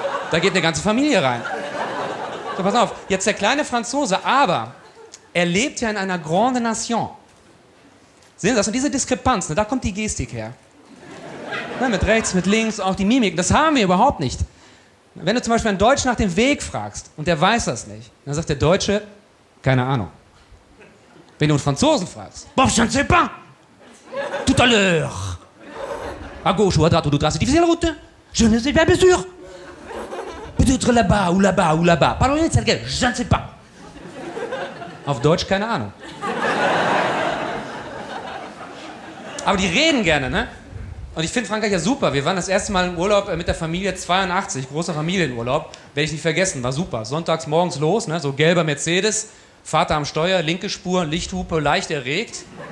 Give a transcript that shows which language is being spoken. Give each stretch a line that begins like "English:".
German: Da geht eine ganze Familie rein. So, pass auf, jetzt der kleine Franzose, aber er lebt ja in einer Grande Nation. Sehen Sie das? Und diese Diskrepanz, ne, da kommt die Gestik her. Ne, mit rechts, mit links, auch die Mimik, das haben wir überhaupt nicht. Wenn du zum Beispiel einen Deutschen nach dem Weg fragst und der weiß das nicht, dann sagt der Deutsche, keine Ahnung. Wenn du einen Franzosen fragst,
French: Bob, je ne sais pas, tout à l'heure, à gauche ou à droite, ou d'autre, c'est difficile la route, je ne sais pas, bien sûr, peut-être là-bas, ou là-bas, ou là-bas, pardon, je ne sais pas.
German: Auf Deutsch, keine Ahnung. Aber die reden gerne, ne? Und ich finde Frankreich ja super. Wir waren das erste Mal im Urlaub mit der Familie 82, großer Familienurlaub. Werde ich nicht vergessen, war super. Sonntags morgens los, ne? So gelber Mercedes, Vater am Steuer, linke Spur, Lichthupe, leicht erregt.